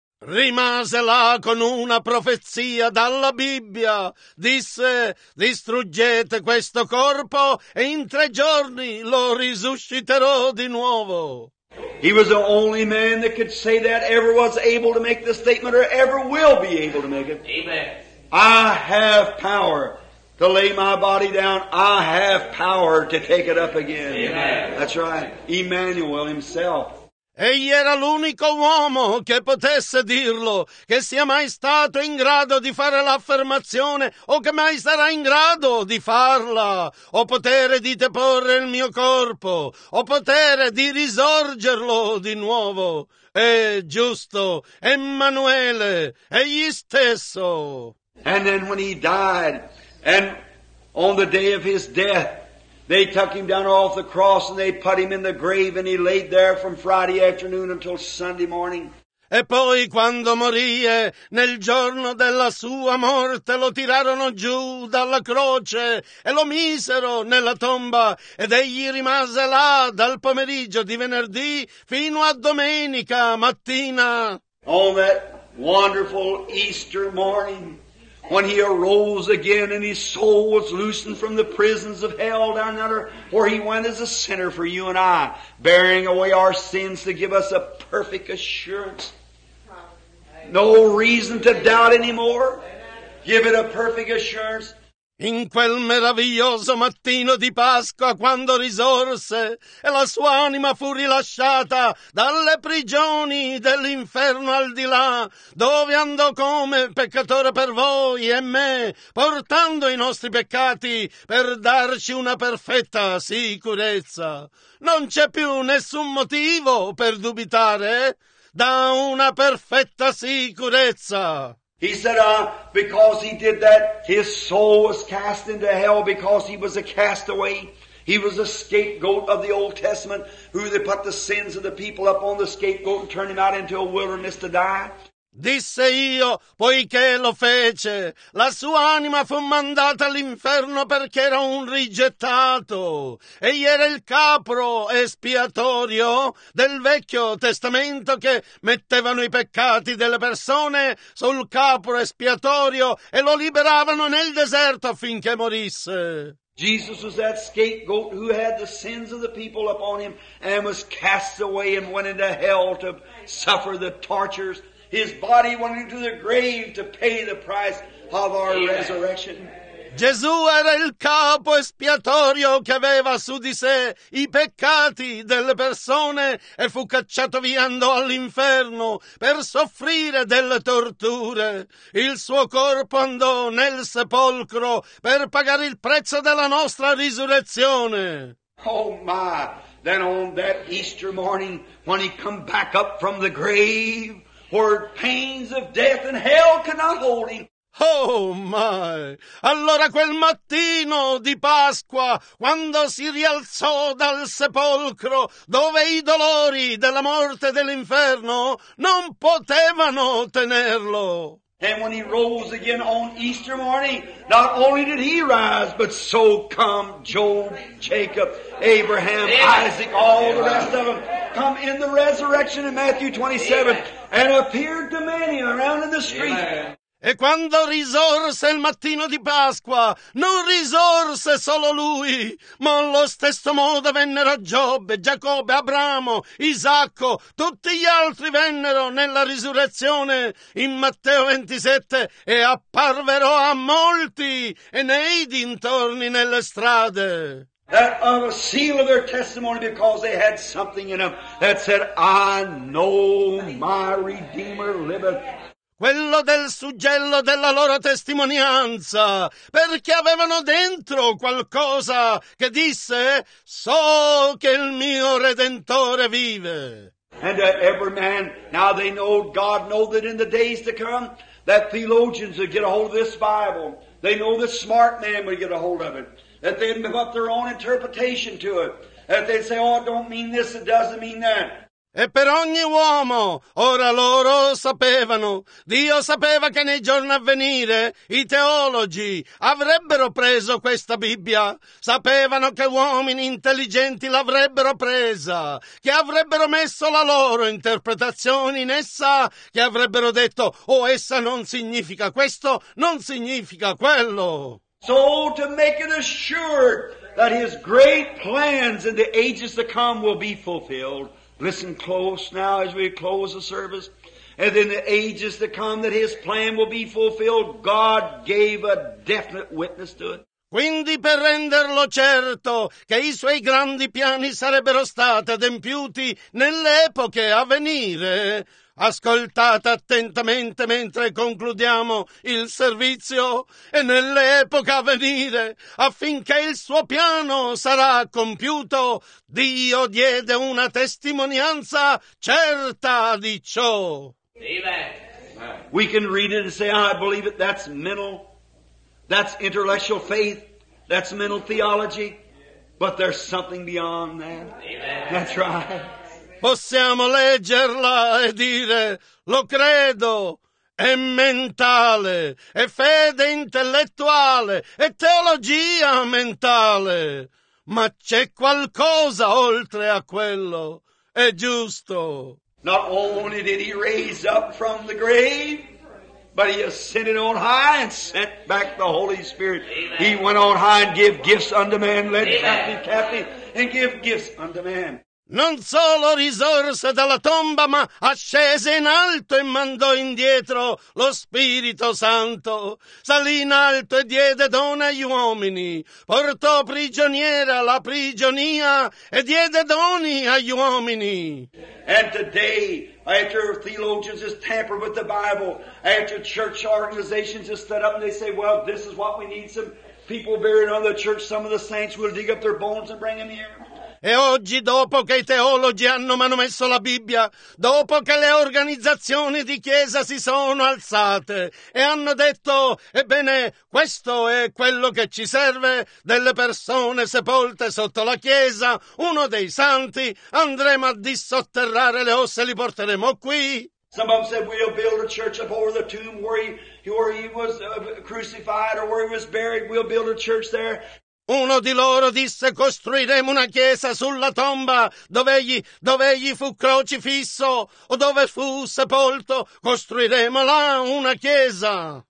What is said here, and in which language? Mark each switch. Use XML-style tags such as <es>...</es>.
<it>Rimase là con una profezia dalla Bibbia, disse: distruggete questo corpo e in 3 giorni lo risusciterò di nuovo.</it> <en>He was the only man that could say that, ever was able to make the statement, or ever will be able to make it. Amen. I have power to lay my body down. I have power to take it up again. Amen. That's right. Emmanuel himself.</en> <it>Egli era l'unico uomo che potesse dirlo, che sia mai stato in grado di fare l'affermazione, o che mai sarà in grado di farla. Ho potere di deporre il mio corpo, ho potere di risorgerlo di nuovo. È giusto, Emmanuele, egli stesso.</it> <en>And then when he died, and on the day of his death, they took him down off the cross and they put him in the grave, and he laid there from Friday afternoon until Sunday morning.</en> <it>E poi quando morì, nel giorno della sua morte, lo tirarono giù dalla croce e lo misero nella tomba, ed egli rimase là dal pomeriggio di venerdì fino a domenica mattina.</it> <en>On that wonderful Easter morning, when he arose again and his soul was loosened from the prisons of hell down under, where he went as a sinner for you and I, bearing away our sins to give us a perfect assurance. No reason to doubt anymore. Give it a perfect assurance.</en> <it>In quel meraviglioso mattino di Pasqua, quando risorse e la sua anima fu rilasciata dalle prigioni dell'inferno al di là, dove andò come peccatore per voi e me, portando i nostri peccati per darci una perfetta sicurezza. Non c'è più nessun motivo per dubitare da una perfetta sicurezza.</it> <en>He said, because he did that, his soul was cast into hell because he was a castaway. He was a scapegoat of the Old Testament, who they put the sins of the people up on the scapegoat and turned him out into a wilderness to die.</en> <it>Disse io, poiché lo fece, la sua anima fu mandata all'inferno perché era un rigettato. Egli era il capro espiatorio del Vecchio Testamento, che mettevano i peccati delle persone sul capro espiatorio e lo liberavano nel deserto affinché morisse.</it> <en>Jesus was that scapegoat who had the sins of the people upon him and was cast away and went into hell to suffer the tortures. His body went into the grave to pay the price of our resurrection.</en> <it>Gesù era il capo espiatorio che aveva su di sé i peccati delle persone e fu cacciato via, andò all'inferno per soffrire delle torture. Il suo corpo andò nel sepolcro per pagare il prezzo della nostra risurrezione.</it> <en>Oh my! Then on that Easter morning, when he come back up from the grave, where pains of death and hell cannot hold him. Oh my!</en> <it>Allora quel mattino di Pasqua, quando si rialzò dal sepolcro, dove i dolori della morte e dell'inferno non potevano tenerlo.</it> <en>And when he rose again on Easter morning, not only did he rise, but so come Job, Jacob, Abraham, Isaac, all the rest of them, come in the resurrection in Matthew 27, and appeared to many around in the street.</en> <it>E quando risorse il mattino di Pasqua, non risorse solo lui, ma allo stesso modo vennero Giobbe, Giacobbe, Abramo, Isacco, tutti gli altri vennero nella risurrezione in Matteo 27 e apparvero a molti e nei dintorni nelle strade.</it> <en>That was a seal of their testimony because they had something in them that said, I know my Redeemer liveth.</en> <it>Quello del suggello della loro testimonianza, perché avevano dentro qualcosa che disse, so che il mio Redentore vive.</it> <en>And to every man, now they know, God know that in the days to come, that theologians would get a hold of this Bible. They know the smart man would get a hold of it. That they'd give up their own interpretation to it. That they'd say, oh, it don't mean this, it doesn't mean that.</en> <it>E per ogni uomo, ora loro sapevano, Dio sapeva che nei giorni a venire i teologi avrebbero preso questa Bibbia, sapevano che uomini intelligenti l'avrebbero presa, che avrebbero messo la loro interpretazione in essa, che avrebbero detto, oh, essa non significa questo, non significa quello.</it> <en>So to make it assured that his great plans in the ages to come will be fulfilled. Listen close now as we close the service. And in the ages to come that his plan will be fulfilled, God gave a definite witness to it.</en> <it>Quindi per renderlo certo che i suoi grandi piani sarebbero stati adempiuti nelle epoche a venire, ascoltate attentamente mentre concludiamo il servizio, e nelle epoche a venire, affinché il suo piano sarà compiuto, Dio diede una testimonianza certa di ciò.</it> <en>We can read it and say, I believe it, that's mental, that's intellectual faith, that's mental theology, but there's something beyond that. That's right.</en> <it>Possiamo leggerla e dire, lo credo, è mentale, è fede intellettuale, è teologia mentale, ma c'è qualcosa oltre a quello, è giusto.</it> <en>Not only did he raise up from the grave, but he ascended on high and sent back the Holy Spirit. Amen. He went on high and gave gifts unto man, led captive captive, and gave gifts unto man.</en> <it>non solo risorse dalla tomba, ma ascese in alto e mandò indietro lo Spirito Santo. Salì in alto e diede dono agli uomini, portò prigioniera la prigionia e diede doni agli uomini.</it> <en>And today, after theologians have tampered with the Bible, after church organizations have stood up and they say, well, this is what we need, some people buried under the church, some of the saints will dig up their bones and bring them here.</en> <it>E oggi, dopo che i teologi hanno manomesso la Bibbia, dopo che le organizzazioni di chiesa si sono alzate e hanno detto, ebbene, questo è quello che ci serve delle persone sepolte sotto la chiesa, uno dei santi, andremo a dissotterrare le ossa e li porteremo qui.</it> <en>Some of them said, we'll build a church up over the tomb where he was crucified or where he was buried, we'll build a church there.</en> <it>Uno di loro disse, costruiremo una chiesa sulla tomba dove egli fu crocifisso o dove fu sepolto, costruiremo là una chiesa.</it>